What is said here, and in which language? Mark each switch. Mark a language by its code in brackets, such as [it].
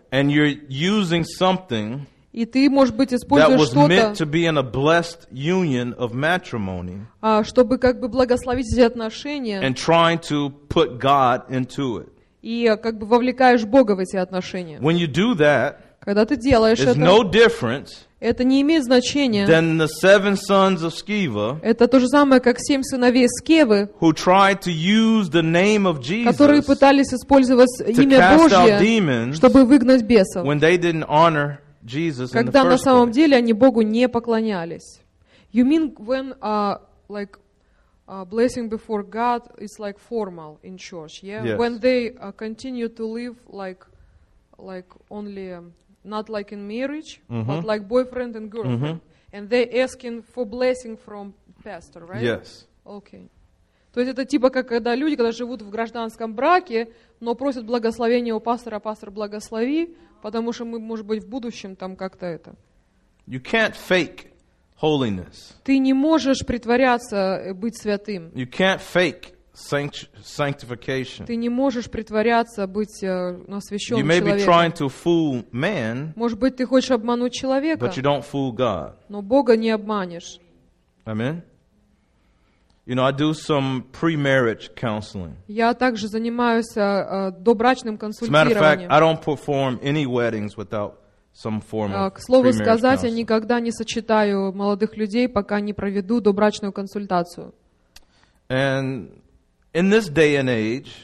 [ru] И ты, может быть, используешь что-то, чтобы как бы благословить эти отношения и как бы вовлекаешь Бога в эти отношения. Когда ты делаешь это, это не имеет значения. [en] Then the seven sons of Sceva, [ru] это то же самое, как семь сыновей Скевы, [en] who tried to use the name of Jesus, [ru] которые пытались использовать имя Божье, чтобы выгнать бесов, [en] when they didn't honor Jesus, [ru] когда на самом деле они Богу не поклонялись. [en] You mean when blessing before God is like formal in church, yeah? Yes. When they continue to live like only not like in marriage, mm-hmm. but like boyfriend and girlfriend. Mm-hmm. And they asking for blessing from pastor, right? Yes. Okay. [ru] То есть это типа как когда люди, когда живут в гражданском браке, но просят благословения у пастора, пастор благослови, потому что мы, может быть, в будущем там как-то это. [en] You can't fake holiness. [ru] Ты не можешь притворяться быть святым. [en] You can't fake sanctification. [ru] Ты не можешь притворяться быть освященным человеком. [en] You may be trying to fool man. [ru] Может быть, ты хочешь обмануть человека. [en] But you don't fool God. [ru] Но Бога не обманешь. [en] Amen. You know, I do some pre-marriage counseling. [ru] Я также занимаюсь добрачным консультированием. [en] As a matter of fact, I don't perform any weddings without some form of [ru] к слову сказать, я никогда не сочетаю молодых людей, пока не проведу добрачную консультацию. [en] And in this day and age,